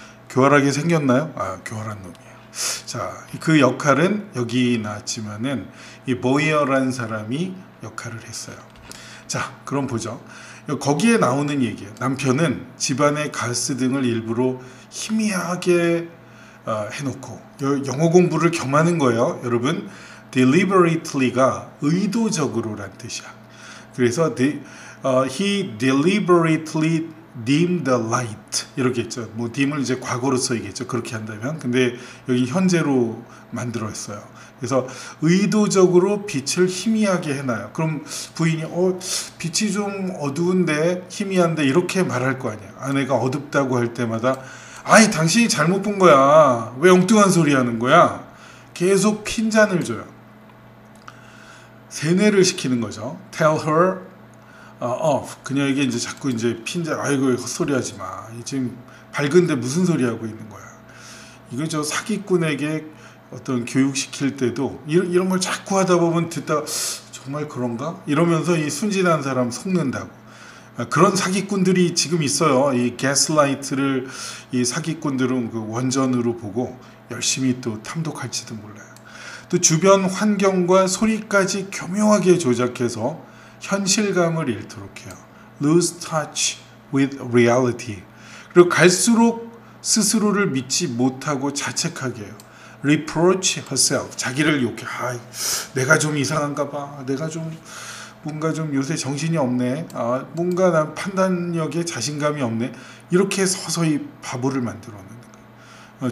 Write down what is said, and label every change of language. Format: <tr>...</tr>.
<ko>교활하게 생겼나요? 아, 교활한 놈이에요. 자, 그 역할은 여기 나왔지만은 이 보이어라는 사람이 역할을 했어요. 자, 그럼 보죠. 거기에 나오는 얘기예요. 남편은 집안의 가스 등을 일부러 희미하게 해놓고 영어 공부를 겸하는 거예요. 여러분, deliberately가 의도적으로란 뜻이야. 그래서</ko> <en>he deliberately dimmed the light</en> <ko>이렇게 했죠. 뭐 dim을 이제 과거로 써야겠죠. 그렇게 한다면. 근데 여기 현재로 만들었어요. 그래서 의도적으로 빛을 희미하게 해놔요. 그럼 부인이 빛이 좀 어두운데 희미한데 이렇게 말할 거 아니야. 아내가 어둡다고 할 때마다 아이 당신이 잘못 본 거야. 왜 엉뚱한 소리 하는 거야. 계속 핀잔을 줘요. 세뇌를 시키는 거죠.</ko> <en>Tell her off.</en> <ko>그녀에게 이제 자꾸 이제 핀잔 아이고 헛소리 하지 마. 지금 밝은데 무슨 소리 하고 있는 거야. 이거 저 사기꾼에게 어떤 교육시킬 때도 이런 걸 자꾸 하다 보면 듣다 정말 그런가? 이러면서 이 순진한 사람 속는다고 그런 사기꾼들이 지금 있어요. 이 Gaslight를 이 사기꾼들은 그 원전으로 보고 열심히 또 탐독할지도 몰라요. 또 주변 환경과 소리까지 교묘하게 조작해서 현실감을 잃도록 해요.</ko> <en>Lose touch with reality.</en> <ko>그리고 갈수록 스스로를 믿지 못하고 자책하게 해요.</ko> <en>Reproach herself.</en> <ko>자기를 욕해. 아, 내가 좀 이상한가 봐. 내가 좀 뭔가 좀 요새 정신이 없네. 아, 뭔가 난 판단력에 자신감이 없네. 이렇게 서서히 바보를 만들어 놓는 거예요.</ko>